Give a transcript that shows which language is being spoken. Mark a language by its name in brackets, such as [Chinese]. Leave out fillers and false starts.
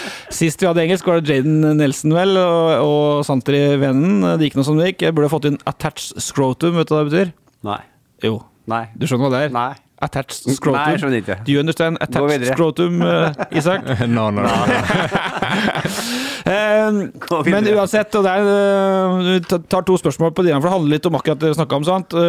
[Norwegian] Sist vi hadde engelsk var det Jaden Nelson vel, og Santri Vennen, det gikk noe som det gikk. Jeg burde fått inn [English] attached scrotum, [Norwegian] vet du hva det betyr? Nei. Jo. Nei. Du skjønner hva det Nei. [English] Attached scrotum. [Norwegian] Nei, skjønner ikke. [English] Do you understand attached scrotum, Isak? No. [Norwegian] men uansett, og der, vi tar to spørsmål på dine, for det handler litt om akkurat det vi snakket om, sant?